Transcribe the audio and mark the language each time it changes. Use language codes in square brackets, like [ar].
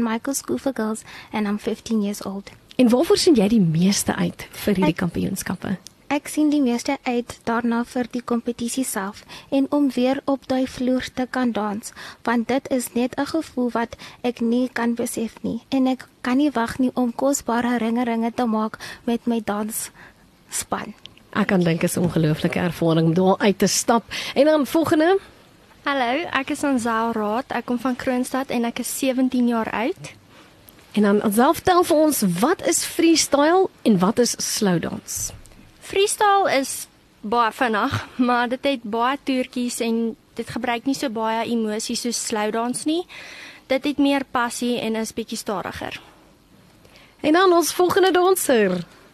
[en] Michael's School for Girls and I'm 15 years old. [af] En waarvoor sien jy die meeste uit vir hierdie kampioenskappe? Ek sien die meeste uit daarna vir die kompetisie self en om weer op die vloer te kan dans, want dit is net 'n gevoel wat ek nie kan besef nie en ek kan nie wag nie om kosbare ringe te maak met my dansspan. Ek kan dink is 'n ongelooflike ervaring om daar uit te stap. En dan volgende. Hallo, ek is Anzel Raad. Ek kom van Kroonstad en ek is 17 jaar oud. En dan Anzel, vertel vir ons, wat is freestyle en wat is slow dance? Freestyle is baie vinnig, maar dit het baie toertjies en dit gebruik nie so baie emosie soos slow dance nie. Dit het meer passie en is bietjie stadiger. En dan ons volgende danser.